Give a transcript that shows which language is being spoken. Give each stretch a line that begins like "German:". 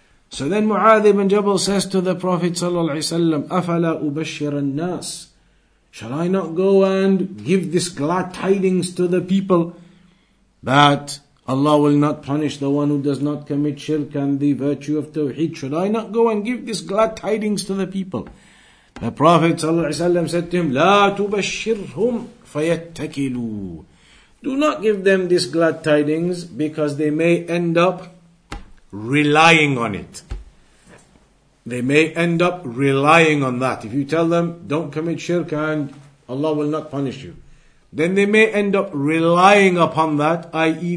English: So then Mu'adh ibn Jabal says to the Prophet ﷺ,
Arabic: أَفَلَا أُبَشِّرَ النَّاسِ.
English: Shall I not go and give this glad tidings to the people that Allah will not punish the one who does not commit shirk and the virtue of tawheed? Should I not go and give this glad tidings to the people? The Prophet ﷺ said to him,
Arabic: لا تبشرهم فيتكلوا.
English: Do not give them this glad tidings, because they may end up relying on it. They may end up relying on that. If you tell them, don't commit shirk and Allah will not punish you, then they may end up relying upon that, i.e.